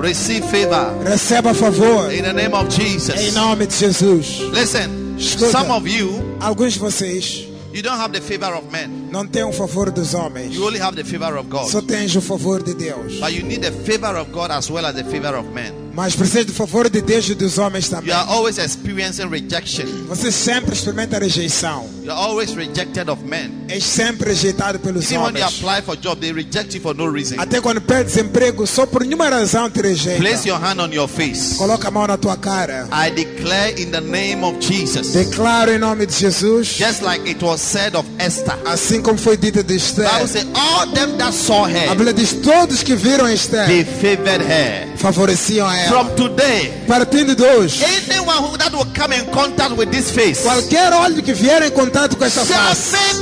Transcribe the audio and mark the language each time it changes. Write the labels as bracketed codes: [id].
[en] Receive favor. [pt] Receba favor. [en] In the name of Jesus. [pt] Em nome de Jesus. [en] Listen. [pt] Escuta, [en] some of you. [pt] Alguns de vocês. [en] You don't have the favor of men. [pt] Não tem o favor dos homens. [en] You only have the favor of God. [pt] Só tens o favor de Deus. [en] But you need the favor of God as well as the favor of men. [pt] Mas precisa do favor de Deus e dos homens também. [en] You are always experiencing rejection. [pt] Você sempre experimenta a rejeição. [en] You are always rejected of men. [pt] És sempre rejeitado pelos [en] Even [pt] homens. [en] Even when you apply for job, they reject you for no reason. [pt] Até quando pedes emprego, só por nenhuma razão te rejeitam. [en] Place your hand on your face. [pt] Coloca a mão na tua cara. [en] I declare in the name of Jesus. [pt] Declaro em nome de Jesus. [en] Just like it was said of Esther. [pt] Assim como foi dito de Esther. [en] I will say, all them that saw her. [pt] A Bíblia diz, todos que viram Esther. [en] They favored her. [pt] Favoreciam ela. [en] From today, [pt] partindo de hoje, [en] anyone who that will come in contact with this face, [pt] qualquer olho que vier em contato com essa face,